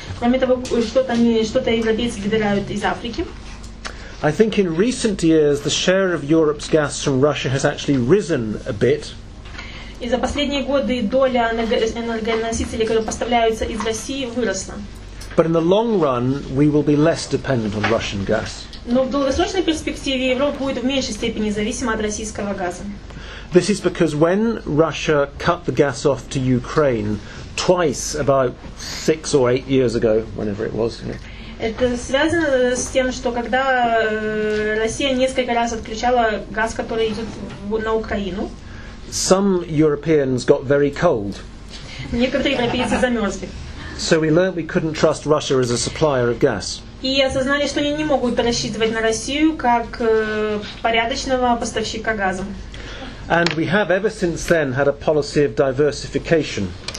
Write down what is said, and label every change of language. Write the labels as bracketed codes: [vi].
[ru] Кроме того, что-то европейцы добирают из Африки. [en] I think in recent years the share of Europe's gas from Russia has actually risen a bit. [ru] И за последние годы доля энергоносителей, которые поставляются из России, выросла. [en] But in the long run, we will be less dependent on Russian gas. [ru] Но в долгосрочной перспективе Европа будет в меньшей степени зависима от российского газа. [en] This is because when Russia cut the gas off to Ukraine twice about 6 or 8 years ago, whenever it was. Yeah. [ru] Это связано с тем, что когда Россия несколько раз отключала газ, который идет на Украину. [en] Some Europeans got very cold. [ru] Некоторые европейцы замерзли. [en] So we learned we couldn't trust Russia as a supplier of gas. [ru] И осознали, что они не могут рассчитывать на Россию как порядочного поставщика газа. [en] And we have ever since then had a policy of diversification.